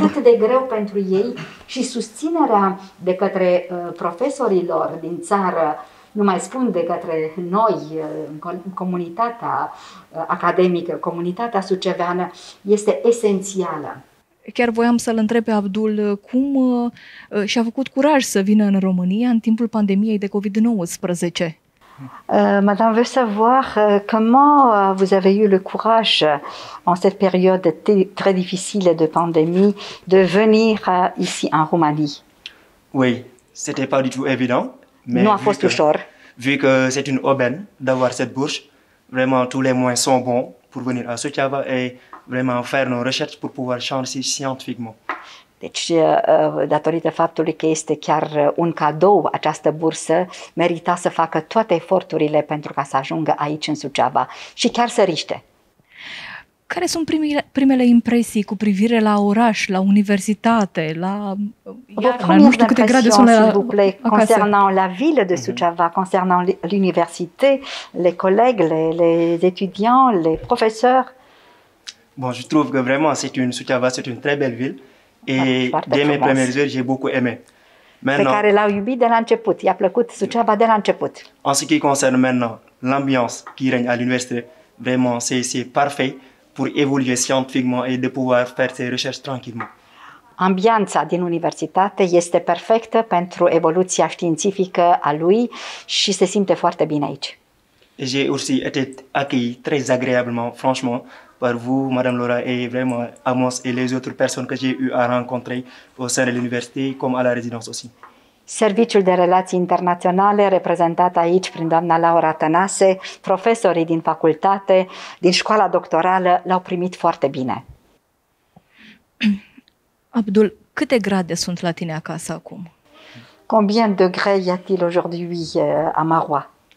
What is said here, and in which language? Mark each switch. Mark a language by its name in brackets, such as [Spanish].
[Romanian] Atât de greu pentru ei și susținerea de către profesorilor din țară, nu mai spun de către noi, comunitatea academică, comunitatea suceveană, este esențială. Chiar voiam să-l întreb pe Abdul cum și-a făcut curaj să vină în România în timpul pandemiei de COVID-19. [French] Madame veut savoir comment vous avez eu le courage en cette période très difficile de pandémie de venir ici en Roumanie. Oui, c'était pas du tout évident. Mais nous [Romanian] a fost ușor. [French] Vu que c'est une aubaine d'avoir cette bourse, vraiment tous les moyens sont bons pour venir à Suceava et vraiment faire nos recherches pour pouvoir changer scientifiquement. [Romanian] Deci, datorită faptului că este chiar un cadou această bursă, merita să facă toate eforturile pentru ca să ajungă aici în Suceava și chiar să riște. Care sunt primele impresii cu privire la oraș, la universitate, la iarna, nu știu câte grade sunt la acasă? [French] Concernant la ville de Suceava, concernant l'université, les collègues, les étudiants, les professeurs? Bon, je trouve que vraiment c'est une Suceava, c'est une très belle ville et dès mes premières heures, j'ai beaucoup aimé. Maintenant, [Romanian] pe care l-au iubit de la început, i-a plăcut Suceava de la început. [French] En ce qui concerne maintenant l'ambiance qui règne à l'université, vraiment c'est parfait pour évoluer scientifiquement et de pouvoir faire ses recherches tranquillement. [Romanian] Ambianța din universitate este perfectă pentru evoluția științifică a lui și se simte foarte bine aici. [French] J'ai aussi été accueilli très agréablement, franchement, par vous, Madame Laura, et vraiment Amos et les autres personnes que j'ai eu à rencontrer au sein de l'université comme à la résidence aussi. [Romanian] Serviciul de relații internaționale, reprezentat aici prin doamna Laura Tănase, profesorii din facultate, din școala doctorală, l-au primit foarte bine. Abdul, câte grade sunt la tine acasă acum? [French] Combien de degrés y a-t-il aujourd'hui à Marois?